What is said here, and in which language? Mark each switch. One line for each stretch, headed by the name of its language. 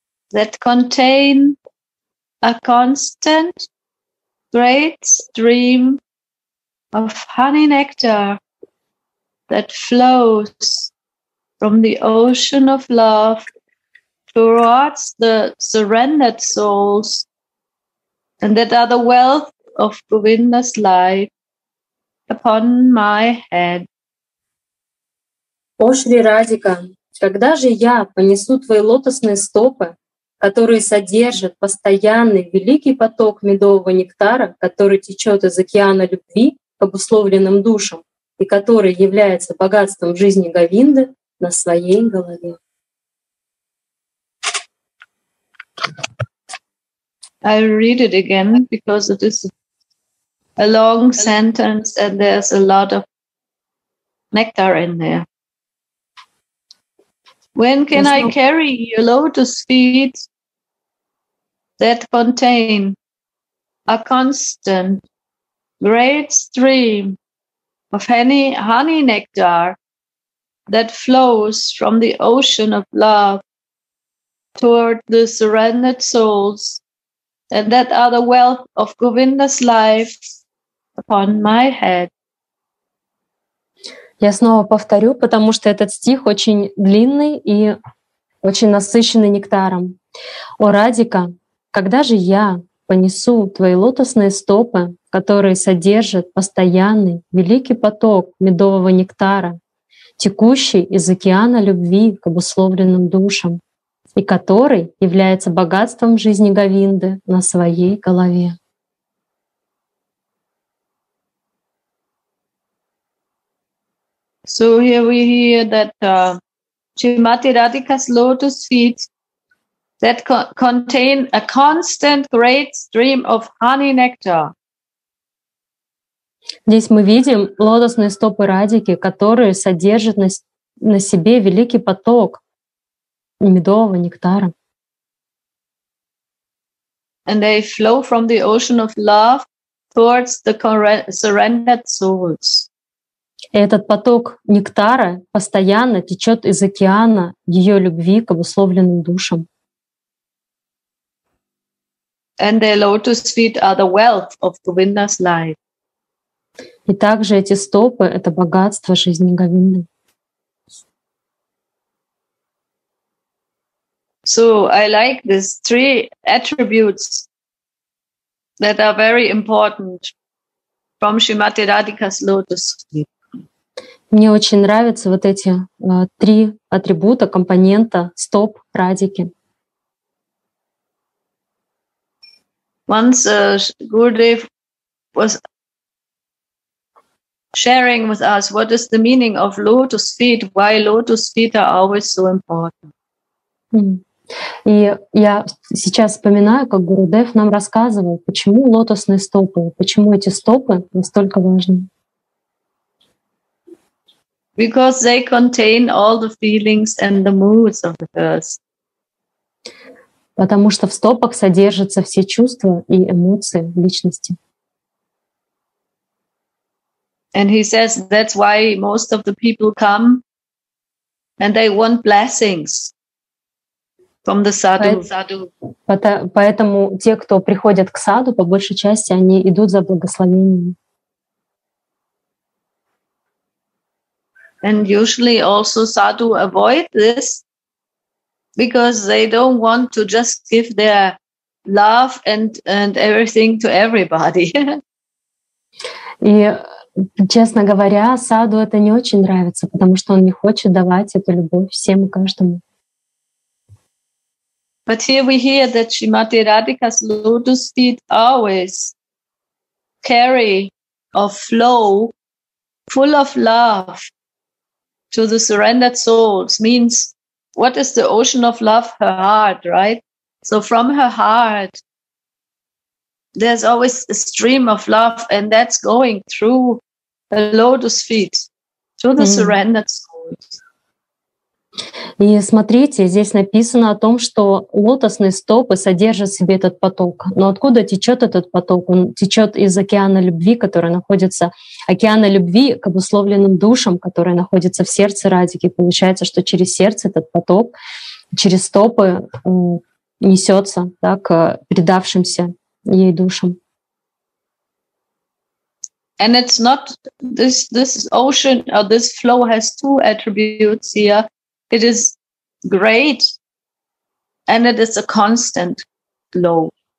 English: that contain a constant great stream of honey nectar that flows from the ocean of love towards the surrendered souls and that are the wealth of Govinda's light upon my head.
Russian: О Шри Радика, когда же я понесу твои лотосные стопы, которые содержат постоянный великий поток медового нектара, который течет из океана любви обусловленным душам и который является богатством жизни Говинды на своей голове.
English: I'll read it again because it is a long sentence and there's a lot of nectar in there. When can I carry your lotus feet that contain a constant great stream of honey nectar that flows from the ocean of love toward the surrendered souls and that are the wealth of Govinda's life upon my head.
Russian: Я снова повторю, потому что этот стих очень длинный и очень насыщенный нектаром. О Радика, когда же я понесу твои лотосные стопы, которые содержат постоянный великий поток медового нектара, текущий из океана любви к обусловленным душам, и который является богатством жизни Говинды на своей голове.
English: So here we hear that Srimati Radhika's lotus feet that contain a constant great stream of honey nectar.
Russian: Здесь мы видим лотосные стопы Радики, которые содержат на себе великий поток медового нектара.
English: And they flow from the ocean of love towards the surrendered souls.
Russian: И этот поток нектара постоянно течет из океана ее любви к обусловленным душам.
English: And their lotus feet are the wealth of Govinda's life.
Russian: И также эти стопы — это богатство жизни Говинды.
English: So I like these three attributes that are very important from Srimati Radhika's lotus feet.
Russian: Мне очень нравятся вот эти три атрибута, компонента, стоп, Радики.
English: Once Gurudev was sharing with us what is the meaning of lotus feet, why lotus feet are always so important.
Russian: И я сейчас вспоминаю, как Гурудев нам рассказывал, почему лотосные стопы, почему эти стопы настолько важны.
English: Because they contain all the feelings and the moods of the earth.
Russian: Потому что в стопах содержатся все чувства и эмоции личности.
English: And he says that's why most of the people come and they want blessings from the sadhu.
Russian: Поэтому те, кто приходят к саду, по большей части они идут за благословением.
English: And usually also sadhu avoid this because they don't want to just give their love and everything to everybody.
Russian: И, честно говоря, саду это не очень нравится, потому что он не хочет давать эту любовь всем и каждому.
English: But here we hear that Srimati Radhika's lotus feet always carry a flow full of love to the surrendered souls means what is the ocean of love? Her heart, right? So from her heart, there's always a stream of love and that's going through a lotus feet to the surrendered soul.
Russian: И смотрите, здесь написано о том, что лотосные стопы содержат в себе этот поток. Но откуда течет этот поток? Он течет из океана любви, который находится, океана любви к обусловленным душам, которые находятся в сердце Радики. Получается, что через сердце этот поток, через стопы несется, да, к предавшимся ей душам.
English: And it's not this ocean or this flow has two attributes here. It is great, and it is a constant flow.